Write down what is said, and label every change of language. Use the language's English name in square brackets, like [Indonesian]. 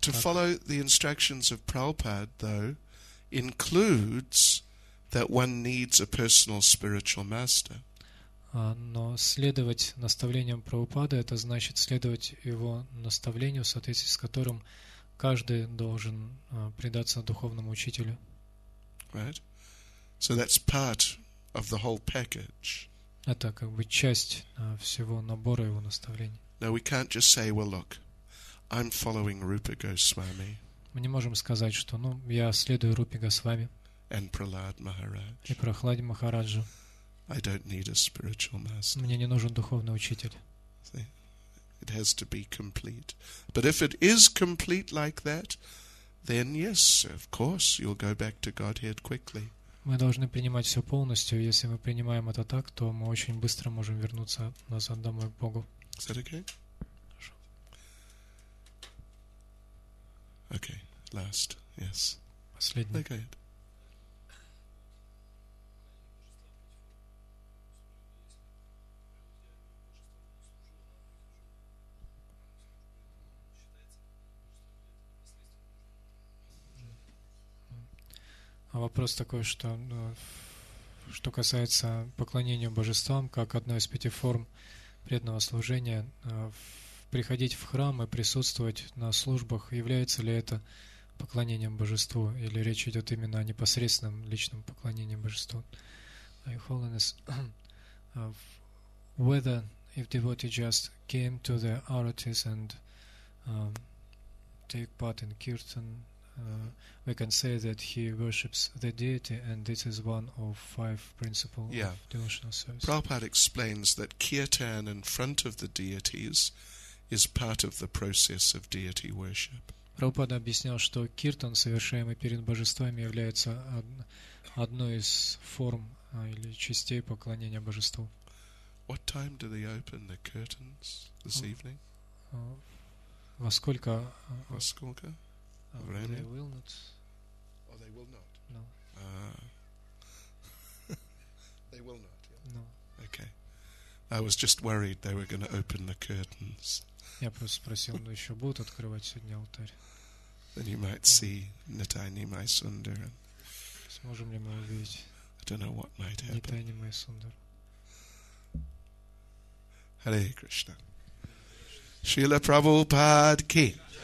[English] To follow the instructions of Prabhupada, though, includes that one needs a personal spiritual master. [Russian] Но следовать наставлениям Прабхупады это значит следовать его наставлению, в соответствии с которым каждый должен предаться духовному учителю. [English] Right. So that's part of the whole package. [Russian] Это как бы часть всего набора его наставлений. [English] Now we can't just say, well, look, I'm following Rupa Goswami. [Russian] Мы не можем сказать, что, ну, я следую Рупе Госвами. [English] And Prahlad Maharaj. [Russian] И Прахладе Махараджу. [English] I don't need a spiritual master. [Russian] Мне не нужен духовный учитель. [English] See? It has to be complete. But if it is complete like that, then yes, of course, you'll go back to Godhead quickly. [Russian] Мы должны принимать все полностью. Если мы принимаем это так, то мы очень быстро можем вернуться назад домой к Богу. [English] Is that okay? [Russian] Хорошо. [English] Okay, last, yes. [Russian] Последний. [English] Okay. [Russian] Вопрос такой, что что касается поклонения божествам, как одной из пяти форм преданного служения, приходить в храм и присутствовать на службах, является ли это поклонением божеству, или речь идет именно о непосредственном личном поклонении божеству? [English] My holiness, whether if devotee just came to the aratis and take part in kirtan, we can say that he worships the deity, and this is one of five principles of devotional service. Prabhupada explains that kirtan in front of the deities is part of the process of deity worship. [Russian] Prabhupada объяснял, что киртан, совершаемый перед божествами, является одной из форм или частей поклонения божеству. [English] What time do they open the curtains this evening? [Russian] Во сколько? Во сколько? [English] They will not. Oh, they will not. No. they will not. Yeah. No. Okay. I was just worried they were going to open the curtains. [Russian] Я просто спросил, но еще будут открывать сегодня алтарь? [English] Then you might see Nitai Maisundar. [Russian] Сможем ли мы увидеть? [English] I don't know what might happen. Nitai Maisundar. Hare Krishna. Srila Prabhupada ki.